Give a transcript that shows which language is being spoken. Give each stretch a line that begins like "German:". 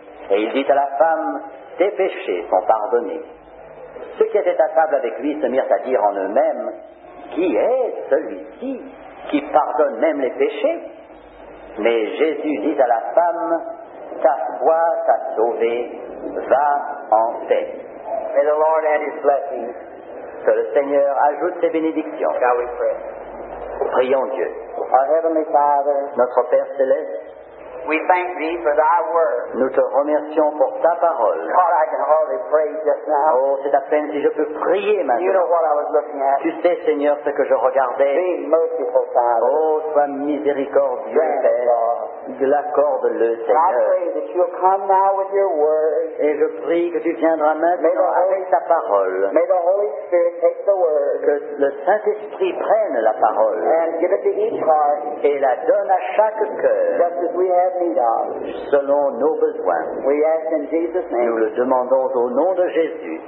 French: Et il dit à la femme, tes péchés sont pardonnés. Ceux qui étaient à table avec lui se mirent à dire en eux-mêmes, qui est celui-ci qui pardonne même les péchés? Mais Jésus dit à la femme, ta foi t'a sauvé, va en paix.
English: May the Lord add his blessings.
French: Que le Seigneur ajoute ses bénédictions.
English: Shall we pray?
French: Prions Dieu.
English: Our Heavenly Father,
French: notre Père Céleste,
English: we thank thee for thy word.
French: Nous te remercions pour ta parole.
English: God, I can hardly pray just now.
French: Oh, c'est à peine si je peux prier maintenant.
English: You know what I was looking at.
French: Tu sais, Seigneur, ce que je regardais.
English: Be merciful, Father.
French: Oh, sois miséricordieux, Père. L'accorde-le, Seigneur.
English: I pray that you'll come now with your word.
French: Et je prie que tu viendras maintenant avec ta parole.
English: May the Holy Spirit take the word.
French: Que le Saint-Esprit prenne la parole.
English: And give it to each heart.
French: Et la donne à chaque cœur.
English: Just as we have need of.
French: Selon nos besoins.
English: We ask in Jesus' name.
French: Nous le demandons au nom de Jésus.